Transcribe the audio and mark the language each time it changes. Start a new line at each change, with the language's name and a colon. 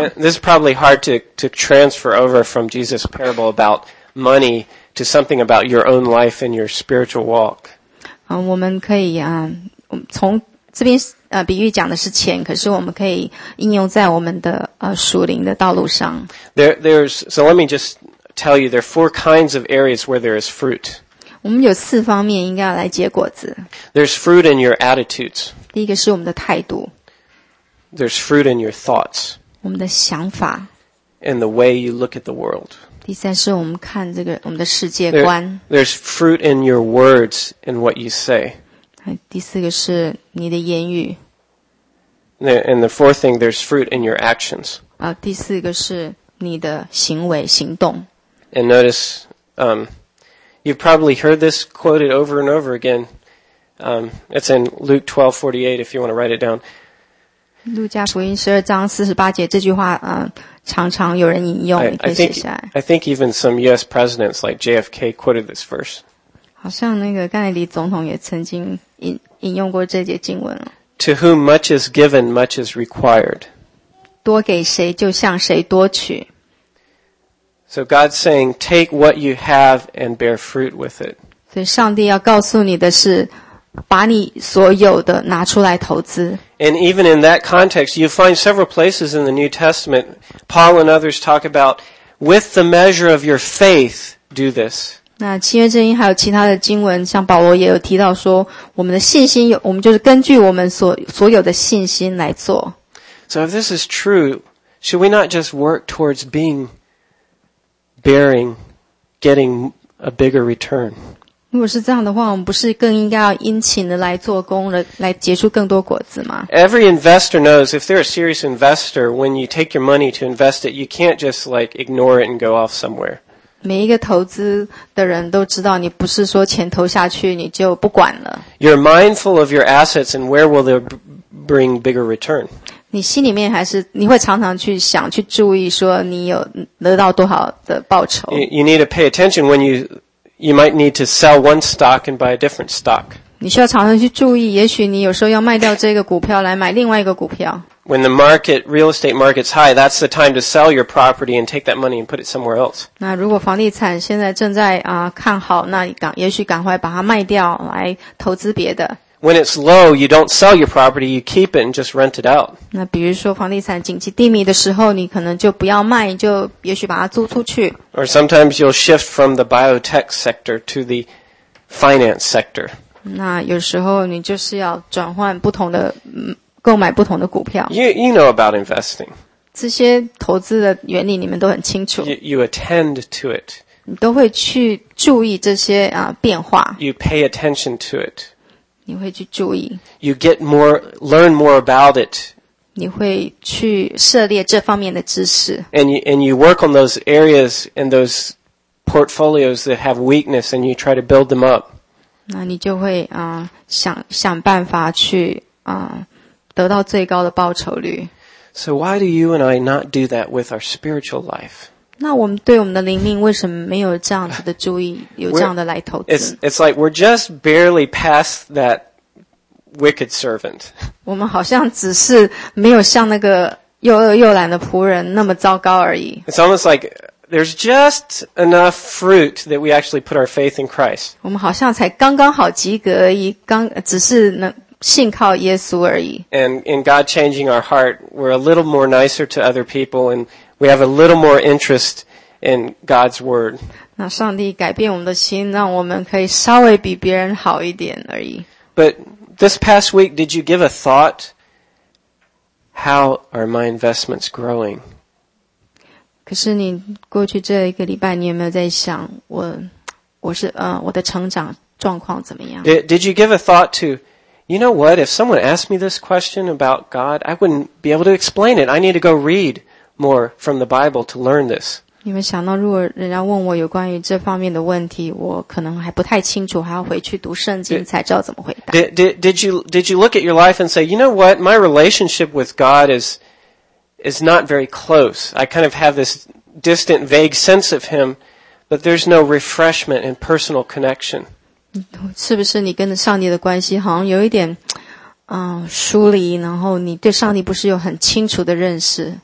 English: And this is probably hard to transfer over from Jesus' parable about money to something about your own life and your spiritual walk.
Chinese: 我们可以从这边比喻讲的是钱，可是我们可以应用在我们的属灵的道路上。
English: So let me just tell you, there are four kinds of areas where there is fruit.
Chinese: 我们有四方面应该要来结果子。
English: There's fruit in your attitudes.
Chinese: 第一个是我们的态度。
English: There's fruit in your thoughts.
Chinese: 我们的想法。
English: And the way you look at the world.
Chinese: 第三是我们看这个我们的世界观。
English: There's fruit in your words and what you say.
Chinese: 第四个是你的言语。
English: And the fourth thing, there's fruit in your actions.
Chinese: 第四个是你的行为、行动。
English: And notice, you've probably heard this quoted over and over again. It's in Luke 12:48, if you want to write it down.
Chinese: 路加福音12章48节这句话常常有人引用，你可以写下来。
English: I think even some US presidents like JFK quoted this verse.
Chinese: 好像那个甘乃迪总统也曾经引用过这节经文。
English: To whom much is given, much is required.
Chinese: 多给谁就向谁多取。
English: So God's saying, take what you have and bear fruit with it.
Chinese: 所以上帝要告诉你的是，把你所有的拿出来投资。
English: And even in that context, you find several places in the New Testament, Paul and others talk about, with the measure of your faith, do this.
Chinese: 那新约圣经还有其他的经文，像保罗也有提到说，我们的信心有，我们就是根据我们所有的信心来做。
English: So if this is true, should we not just work towards being bearing, getting a bigger return?
Chinese: 如果是这样的话，我们不是更应该要殷勤的来做工，来结出更多果子吗？
English: Every investor knows if they're a serious investor, when you take your money to invest it, you can't just like ignore it and go off somewhere.
Chinese: 每一个投资的人都知道，你不是说钱投下去你就不管了。
English: You're mindful of your assets and where will they bring bigger return.
Chinese: 你心里面还是你会常常去想去注意说你有得到多少的报酬。
English: You need to pay attention when you might need to sell one stock and buy a different stock.
Chinese: 你需要常常去注意，也许你有时候要卖掉这个股票来买另外一个股票。
English: When the market, real estate market's high, that's the time to sell your property and take that money and put it somewhere else.
Chinese: 那如果房地产现在正在看好，那也许赶快把它卖掉来投资别的。
English: When it's low, you don't sell your property, you keep it and just rent it out.
Chinese: 那比如说房地产景气低迷的时候，你可能就不要卖，就也许把它租出去。
English: Or sometimes you'll shift from the biotech sector to the finance sector.
Chinese: 那有时候你就是要转换不同的购买不同的股票。
English: You know about investing.
Chinese: 这些投资的原理你们都很清楚。
English: You attend to it.
Chinese: 你都会去注意这些变化。
English: You pay attention to it.
Chinese: 你会去注意。
English: You get more, learn more about it.
Chinese: 你会去涉猎这方面的知识。
English: And you work on those areas and those portfolios that have weakness and you try to build them up.
Chinese: 那你就会想办法去得到最高的报酬率。
English: So why do you and I not do that with our spiritual life?
Chinese: 那我们对我们的灵命为什么没有这样子的注意，有这样的来投资？
English: It's like we're just barely past that wicked servant.
Chinese: 我们好像只是没有像那个又恶又懒的仆人那么糟糕而已。
English: It's almost like there's just enough fruit that we actually put our faith in Christ.
Chinese: 我们好像才刚刚好及格而已，刚只是能。信靠耶稣而已。
English: And in God changing our heart, we're a little more nicer to other people, and we have a little more interest in God's word.
Chinese: 那上帝改变我们的心，让我们可以稍微比别人好一点而已。
English: But this past week, did you give a thought? How are my investments growing?
Chinese: 可是你过去这一个礼拜，你有没有在想我的成长状况怎么样？
English: Did you give a thought to? You know what? If someone asked me this question about God, I wouldn't be able to explain it. I need to go read more from the Bible to learn this.
Chinese: 你们想到如果人家问我有关于这方面的问题，我可能还不太清楚，还要回去读圣经才知道怎么回答。
English: Did you look at your life and say, you know what? My relationship with God is not very close. I kind of have this distant, vague sense of Him, but there's no refreshment and personal connection.
Chinese: 是不是你跟上帝的关系好像有一点疏离，然后你对上帝不是有很清楚的认识。